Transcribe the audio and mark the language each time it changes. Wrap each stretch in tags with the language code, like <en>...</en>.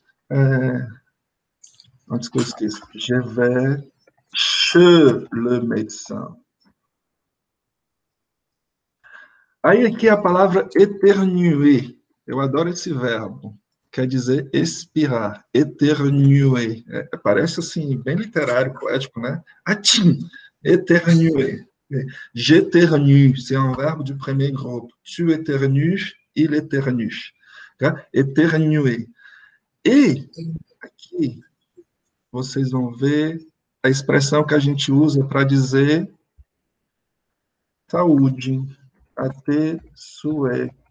<pt>É, antes que eu esqueça,</pt> <fr>je vais chez le médecin.</fr> <pt>Aí aqui a palavra éternuer, eu adoro esse verbo, quer dizer expirar, éternuer, é, parece assim, bem literário, poético, né? Atim, éternuer.</pt> <fr>J'éternue, c'est un verbe du premier groupe. Tu éternues, il éternue. Éternuer.</fr> <pt>Et, aqui, vocês vão ver a expressão que a gente usa para dizer saúde. Até sué.</pt>